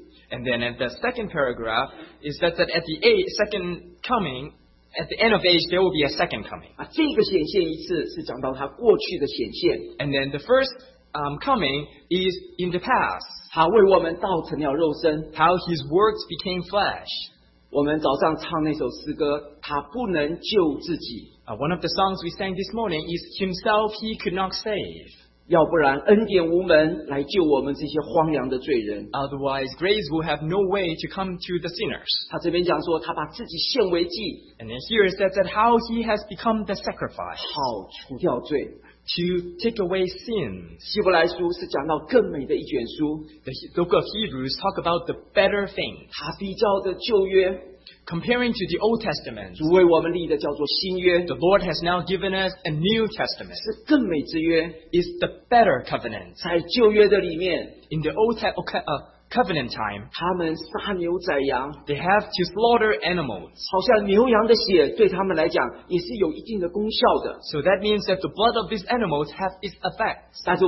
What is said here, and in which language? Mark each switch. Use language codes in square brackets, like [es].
[en] And then at the second paragraph, is that at the eight, second coming, at the end of age, there will be a second coming. [zh] 这个显现一次是讲到他过去的显现。 [en] And then the first coming is in the past. [zh] 他为我们道成了肉身。 [en] How his words became flesh. [zh] 我们早上唱那首诗歌,他不能救自己。 [en] One of the songs we sang this morning is Himself He Could Not Save. [zh] 要不然恩典无门来救我们这些荒凉的罪人。 [en] Otherwise, grace will have no way to come to the sinners. [zh] 他这边讲说他把自己献为祭。 [en] And then here it says that how he has become the sacrifice. [zh] 好除掉罪。 [en] To take away sin. [zh] 希伯来书是讲到更美的一卷书。 [en] The book of Hebrews talk about the better thing. [zh] 他比较的旧约。 [en] Comparing to the Old Testament, [zh] 主为我们立的叫做新约, [en] the Lord has now given us a New Testament. [zh] 是更美之约, [en] is the better covenant. [zh] 在旧约的里面, [en] in the Old covenant time, [zh] 他们杀牛宰羊, [en] they have to slaughter animals. [zh] 好像牛羊的血对他们来讲也是有一定的功效的。 [en] So that means that the blood of these animals have its effect.